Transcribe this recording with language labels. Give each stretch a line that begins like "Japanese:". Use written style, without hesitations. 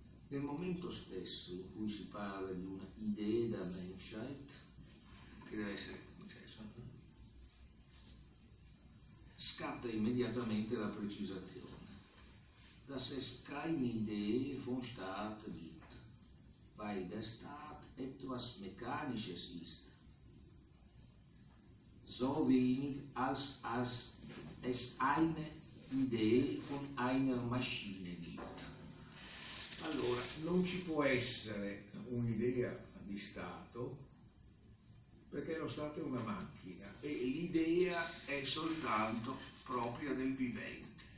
Italian: Nel momento stesso in cui si parla di una idea da Menschheit, che deve essere concesso, scatta immediatamente la precisazione.
German: Das ist keine Idee von Staat gibt, weil der Staat etwas Mechanisches ist, so wenig als es eine Idee von einer Maschine gibt.
Italian: Allora, non ci può essere un'idea di Stato, perché lo Stato è una macchina e l'idea è soltanto propria del vivente.